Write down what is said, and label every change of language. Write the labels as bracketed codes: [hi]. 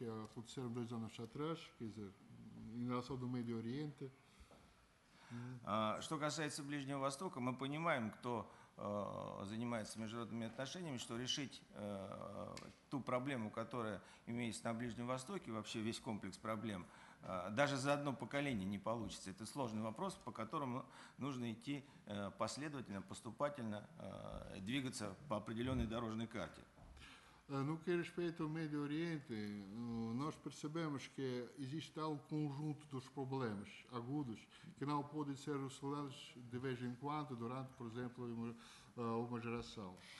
[pt] Por exemplo, em relação ao Médio Oriente. [ru] Что касается Ближнего Востока, мы понимаем, кто занимается международными отношениями, что решить ту проблему, которая имеется на Ближнем Востоке, вообще весь комплекс проблем, даже за одно поколение не получится. Это сложный вопрос, по которому нужно идти последовательно, поступательно, двигаться по определенной дорожной карте. [pt] No que respeita ao Médio Oriente, nós percebemos que existe um conjunto dos problemas agudos que não podem ser resolvidos de vez em quando, durante, por exemplo, uma geração.